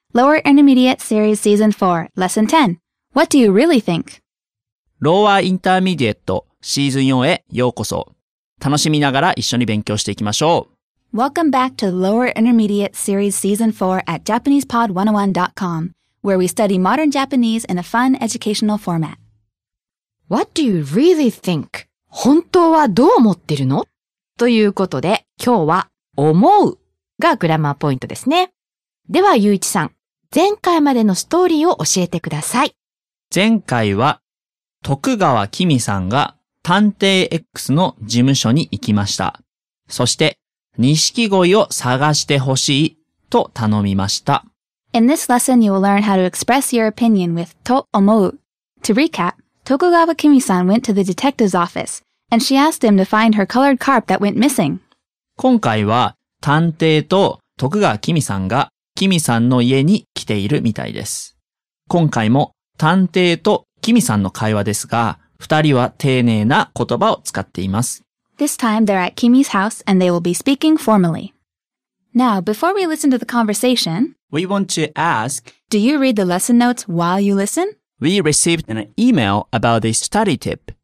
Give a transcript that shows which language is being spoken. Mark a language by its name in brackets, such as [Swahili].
[English] Lower Intermediate Series Season 4 Lesson 10 What do you really think? [Japanese] Lower Intermediate Season 4へようこそ。楽しみながら一緒に勉強していきましょう。 [English] Welcome back to Lower Intermediate Series Season 4 at JapanesePod101.com, where we study modern Japanese in a fun educational format. What do you really think? [Japanese] 本当はどう思ってるの?ということで、今日は思うがグラマーポイントですね。では、ゆういちさん、前回までのストーリーを教えてください。前回は、徳川きみさんが探偵 X の事務所に行きました。そして、錦鯉を探してほしいと頼みました。 [English] In this lesson, you will learn how to express your opinion with と思う。 To recap, 徳川きみさん went to the detective's office, and she asked him to find her colored carp that went missing. [Japanese] 今回は、探偵と徳川きみさんがきみさんの家に来ているみたいです。今回も、探偵ときみさんの会話ですが、二人は丁寧な言葉を使っています。 [English] This time they're at Kimi's house and they will be speaking formally. Now, before we listen to the conversation, we want to ask, do you read the lesson notes while you listen? We received an email about this study tip.